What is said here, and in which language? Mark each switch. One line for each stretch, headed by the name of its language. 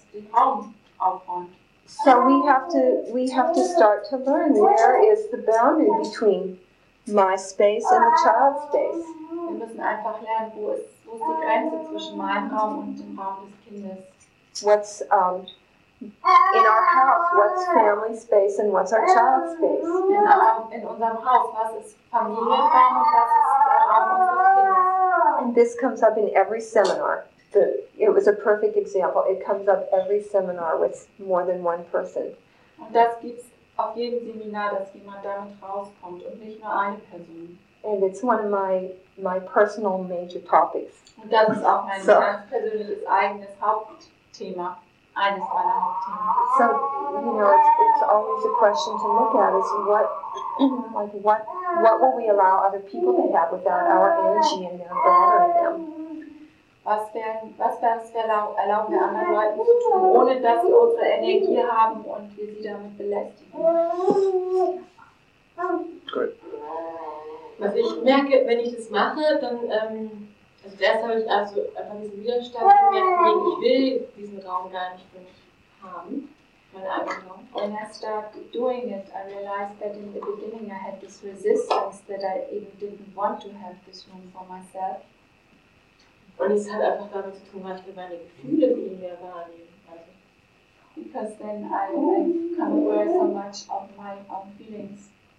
English: So we have to start to learn where is the boundary between my space and the child's space.
German: Wir müssen einfach lernen, wo ist die Grenze zwischen meinem Raum und dem Raum des Kindes.
English: What's in our house, what's family space and what's our child space?
German: In unserem Haus, was ist Familienraum und was ist der Raum unseres Kindes?
English: And this comes up in every seminar. It was a perfect example. It comes up every seminar with more than one person.
German: Und das gibt's auf jedem Seminar, dass jemand damit rauskommt und nicht nur eine Person.
English: And it's one of my personal major topics.
German: Und das ist auch mein ganz persönliches eigenes Hauptthema.
English: So, you know, it's always a question to look at is what will we allow other people to have without our energy and their bothering them?
German: Was erlauben wir anderen Leuten zu tun, ohne dass sie unsere Energie haben und wir sie damit belästigen?
English: Good.
German: Was ich merke, wenn ich das mache, dann also zuerst habe ich also einfach diesen Widerstand gemerkt, ich will diesen Raum gar nicht für mich haben, meine Anwendung.
English: When I start doing it, I realized that in the beginning I had this resistance that I even didn't want to have this room for myself.
German: Und es hat einfach damit zu tun, weil ich meine Gefühle viel mehr wahrnehmen also.
English: Because then I've come aware so much of my own feelings.